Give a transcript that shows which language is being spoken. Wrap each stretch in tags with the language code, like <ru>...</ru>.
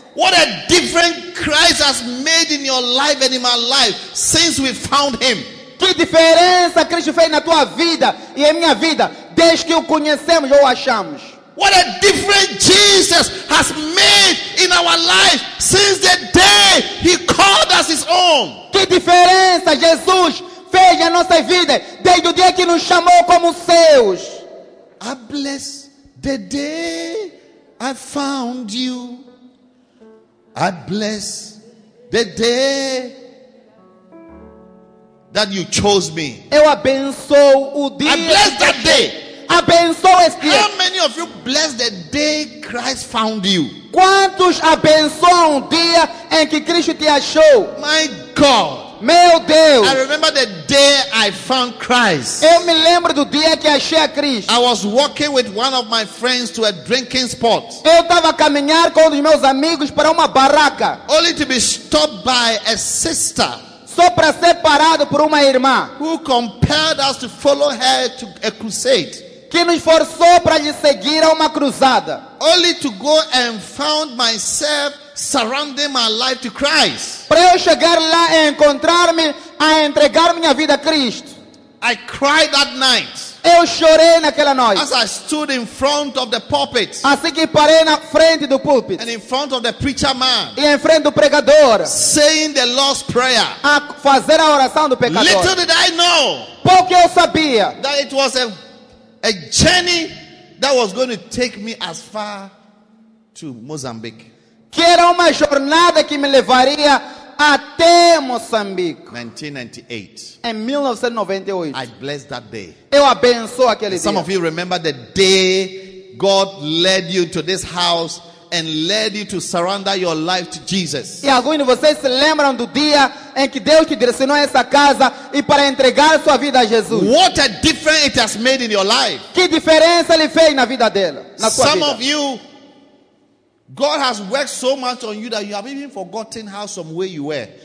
<en>What a difference Christ has made in your life and in my life since we found him.</en> <pt>Que diferença Cristo fez na tua vida e em minha vida desde que o conhecemos ou achamos.</pt> <en>What a difference Jesus has made in our life since the day he called us his own.</en> <pt>Que diferença Jesus fez na nossa vida desde o dia que nos chamou como seus.</pt> <en>I bless the day I found you. I bless the day that you chose me.</en> <pt>Eu abençoo o dia.</pt> <en>I bless that day.</en> <pt>Abençoou este dia.</pt> <en>How many of you bless the day Christ found you?</en> <pt>Quantos abençoam o dia em que Cristo te achou?</pt> <en>My God.</en> <pt>Meu Deus.</pt> <en>I remember the day I found Christ.</en> <pt>Eu me lembro do dia que achei a Cristo.</pt> <en>I was walking with one of my friends to a drinking spot.</en> <pt>Eu estava a caminhar com os meus amigos para uma barraca.</pt> <en>Only to be stopped by a sister.</en> <pt>Só para ser parado por uma irmã.</pt> <en>Who compelled us to follow her to a crusade.</en> <pt>Que nos forçou para lhe seguir a uma cruzada.</pt> <en>Only to go and found myself surrounding my life to Christ.</en> <pt>Para eu chegar lá e encontrar-me a entregar minha vida a Cristo.</pt> <en>I cried that night.</en> <pt>Eu chorei naquela noite.</pt> <en>As I stood in front of the pulpit.</en> <pt>Assim que parei na frente do púlpito.</pt> <en>And in front of the preacher man.</en> <pt>E em frente do pregador.</pt> <en>Saying the Lord's Prayer.</en> <pt>A fazer a oração do pecador.</pt> <en>Little did I know.</en> <pt>Pouco eu sabia.</pt> <en>That it was a journey that was going to take me as far to Mozambique.</en> <pt>Que era uma jornada que me levaria até Moçambique.</pt> <en>1998. I blessed that day.</en> <pt>Eu abençoo aquele</pt> <en>some Some of you remember the day God led you to this house and led you to surrender your life to Jesus.</en> <pt>E alguns de vocês se lembram do dia em que Deus te direcionou a essa casa e para entregar sua vida a Jesus.</pt> <en>What a difference it has made in your life.</en> <pt>Que diferença ele fez na vida dela, na sua</pt> <en>some</en> <pt>vida.</pt> <en>Some of you, God has worked so much on you that you have even forgotten how some way you were.</en>